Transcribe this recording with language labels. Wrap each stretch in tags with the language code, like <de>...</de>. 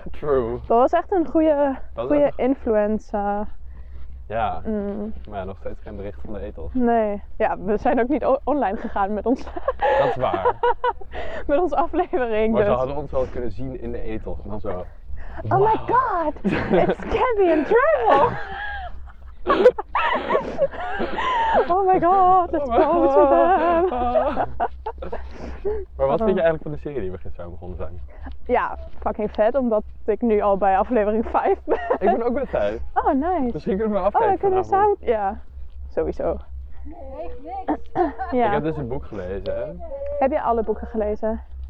<en>True.</en> <nl>Dat was echt een goede influence. Ja, maar ja, nog steeds geen bericht van de ethos. Nee. Ja, we zijn ook niet online gegaan met ons. Dat is waar. Met onze aflevering. Maar dus. Ze hadden ons wel kunnen zien in de ethos. En dan zo. Oh wow.</nl> <en>My god, it's Candy and Travel. Oh my god, it's going to them.</en> <nl>Maar wat vind je eigenlijk van de serie die we gisteren begonnen zijn? Ja, fucking vet, omdat ik nu al bij aflevering 5 ben. Ik ben ook bij 5. Oh, nice. Misschien kunnen we afkijken. Oh, dan kunnen we samen. Ja, sowieso. Ja. Ik heb dus een boek gelezen. Heb je alle boeken gelezen?</nl>